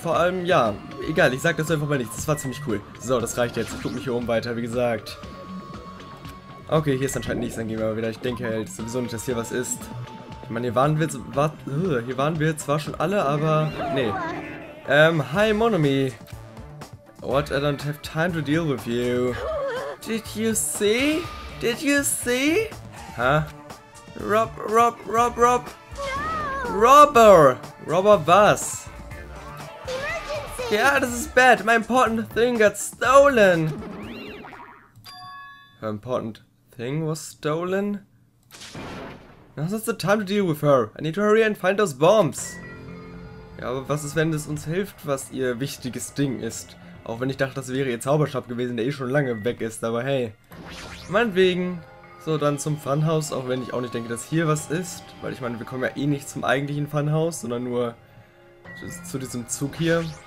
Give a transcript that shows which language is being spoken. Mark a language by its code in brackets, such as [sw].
[de] Vor allem, ja, egal, ich sag das einfach mal nichts. Das war ziemlich cool. So, das reicht jetzt. Ich guck mich hier oben weiter, wie gesagt. Okay, hier ist anscheinend nichts. Dann gehen wir aber wieder. Ich denke halt sowieso nicht, dass hier was ist. Ich meine, hier waren wir zwar schon alle, aber. [en] Nee. Hi, Monomi. What? I don't have time to deal with you. Did you see? Did you see? Ha? Rob, Rob, Rob, Rob. Robber! [de] Robber was? Ja, das ist bad. [en] My important thing got stolen. Her important thing was stolen? Now's not the time to deal with her. I need to hurry and find those bombs. [de] Ja, aber was ist, wenn es uns hilft, was ihr wichtiges Ding ist? Auch wenn ich dachte, das wäre ihr Zauberstab gewesen, der eh schon lange weg ist, aber hey. Meinetwegen. So, dann zum Funhaus, auch wenn ich auch nicht denke, dass hier was ist. Weil ich meine, wir kommen ja eh nicht zum eigentlichen Funhaus, sondern nur zu diesem Zug hier.